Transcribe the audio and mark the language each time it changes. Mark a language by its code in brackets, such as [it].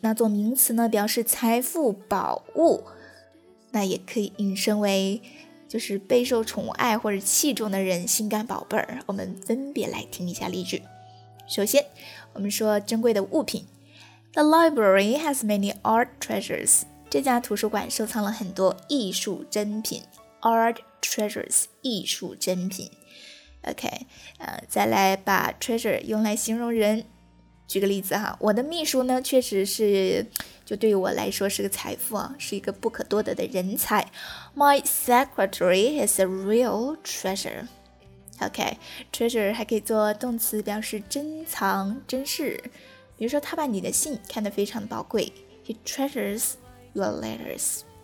[zh] 那做名词呢，表示财富、宝物，那也可以引申为就是备受宠爱或者器重的人，心肝宝贝儿。我们分别来听一下例句。首先，我们说珍贵的物品 ， [en] The library has many art treasures. [zh] 这家图书馆收藏了很多艺术珍品 ，art treasures， 艺术珍品。 OK, 再来把 treasure 用来形容人。举个例子哈，我的秘书呢确实是就对于我来说是个财富啊，是一个不可多得的人才。 [en] My secretary is a real treasure. [zh] OK, treasure 还可以做动词表示珍藏、珍视。比如说他把你的信看得非常宝贵。 [en] He treasures your letters.